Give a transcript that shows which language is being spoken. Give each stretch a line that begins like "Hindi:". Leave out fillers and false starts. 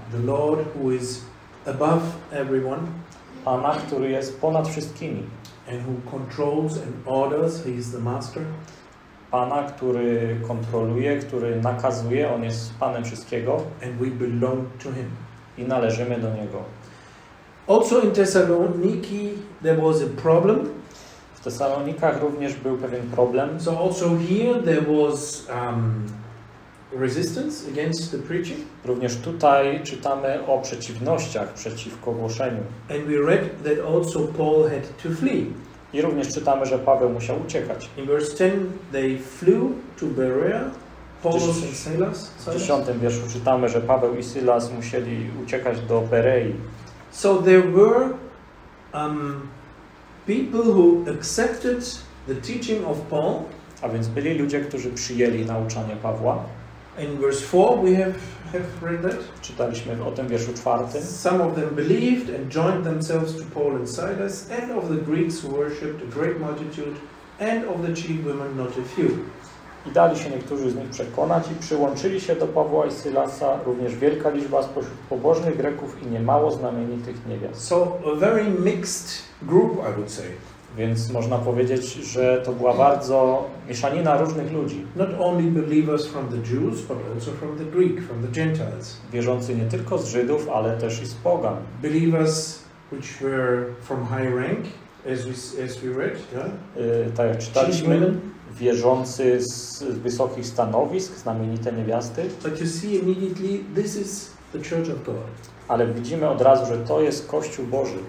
English: The Lord who is above everyone.
Polish: Pana, który jest ponad wszystkimi.
English: And who controls and orders, he is the master.
Polish: Pana, który kontroluje, który nakazuje, on jest Panem wszystkiego.
English: And we belong to him.
Polish: I należymy do niego.
English: Also in Thessaloniki there was a problem.
Polish: W Tesalonikach również był pewien problem.
English: So also here there was resistance against the preaching.
Polish: Również tutaj czytamy o przeciwnościach przeciwko głoszeniu.
English: And we read that also Paul had to flee.
Polish: I również czytamy, że Paweł musiał uciekać.
English: In verse 10 they flew to Berea.
Polish: W 10 wierszu czytamy, że Paweł i Silas musieli uciekać do Berei.
English: So there were people who accepted the teaching of Paul.
Polish: A więc byli ludzie, którzy przyjęli nauczanie Pawła.
English: In verse 4 we have read that.
Polish: Czytaliśmy o tym w wierszu 4.
English: Some of them believed and joined themselves to Paul and Silas, and of the Greeks who worshipped a great multitude, and of the chief women not a few.
Polish: I dali się niektórzy z nich przekonać i przyłączyli się do Pawła i Sylasa, również wielka liczba spośród pobożnych Greków i niemało znamienitych niewiast.
English: So a very mixed group, I would say.
Polish: Więc można powiedzieć, że to była bardzo mieszanina różnych ludzi.
English: Not only believers from the Jews, but also from the Greek, from the Gentiles.
Polish: Wierzący nie tylko z Żydów, ale też i z pogan.
English: Believers which were from high rank, as we read, yeah?
Polish: Tak jak czytaliśmy, wierzący z wysokich stanowisk, znamienite niewiasty.
English: But you see immediately, this is the Church of God.
Polish: Ale widzimy od razu, że to jest Kościół Boży.